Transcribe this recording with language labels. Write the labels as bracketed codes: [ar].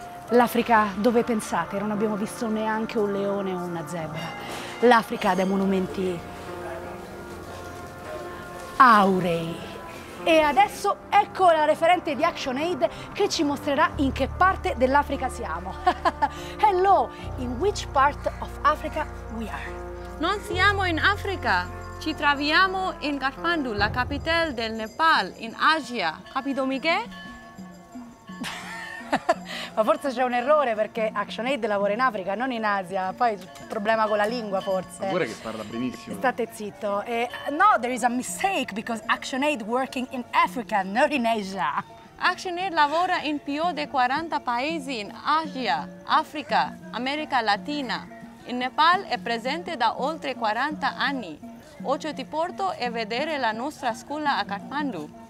[it] L'Africa dove, pensate, non abbiamo visto neanche un leone o una zebra. L'Africa dei monumenti aurei. E adesso ecco la referente di ActionAid che ci mostrerà in che parte dell'Africa siamo. [en] Hello, in which part of Africa we are? [it] Non siamo in Africa, ci troviamo in Kathmandu, la capitale del Nepal, in Asia. Capito, Michè? Ma forse c'è un errore perché ActionAid lavora in Africa, non in Asia. Poi problema con la lingua forse. Pure che parla benissimo. State zitto. [en] No, there is a mistake because ActionAid working in Africa, not in Asia. [it] ActionAid lavora in più di 40 paesi in Asia, Africa, America Latina. In Nepal è presente da oltre 40 anni. Oggi ti porto a vedere la nostra scuola a Kathmandu.